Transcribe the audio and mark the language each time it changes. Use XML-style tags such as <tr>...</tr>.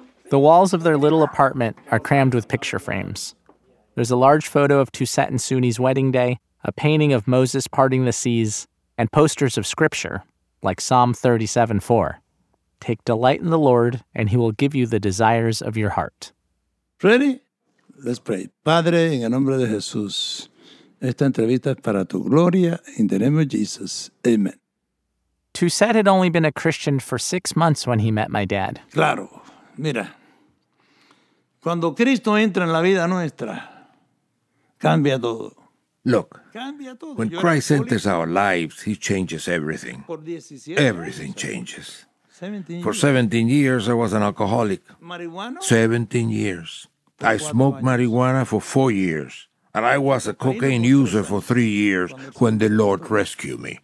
<en>The walls of their little apartment are crammed with picture frames. There's a large photo of Toussaint and Sunni's wedding day, a painting of Moses parting the seas, and posters of scripture, like Psalm 37:4. Take delight in the Lord, and he will give you the desires of your heart. Ready? Let's pray.</en> <es>Padre, en el nombre de Jesús, esta entrevista es para tu gloria, en el nombre de Jesús.</es> <en>Amen. Toussaint had only been a Christian for 6 months when he met my dad.</en> <es>Claro. Mira, cuando Cristo entra en la vida nuestra, cambia todo.</es> <en>Look, when Christ enters our lives, he changes everything. Everything changes. For 17 years, I was an alcoholic. 17 years. I smoked marijuana for 4 years. And I was a cocaine user for 3 years when the Lord rescued me.</en>